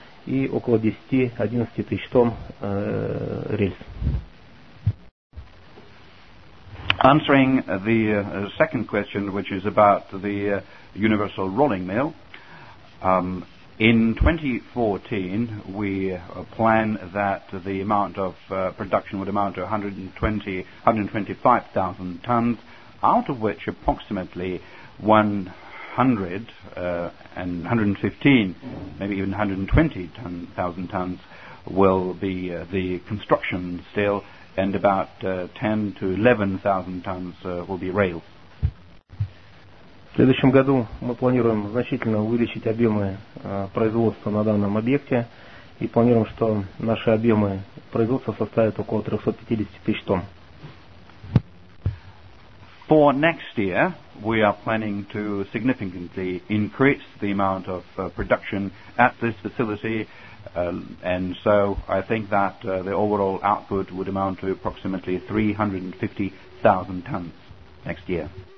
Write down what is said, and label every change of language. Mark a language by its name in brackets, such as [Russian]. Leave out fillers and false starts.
[Russian] И около 10-11 тысяч тонн рельс. [English] Answering the second question, which is about the universal rolling mill, in 2014 we plan that the amount of production would amount to 125,000 tons, out of which approximately 120,000 tons will be the construction steel, and about 10,000 to 11,000 tons will be rail. [Russian] В следующем году мы планируем значительно увеличить объемы производства на данном объекте и планируем, что наши объемы производства составят около 350 тысяч тонн. [English] For next year, we are planning to significantly increase the amount of production at this facility, and so I think that the overall output would amount to approximately 350,000 tons next year.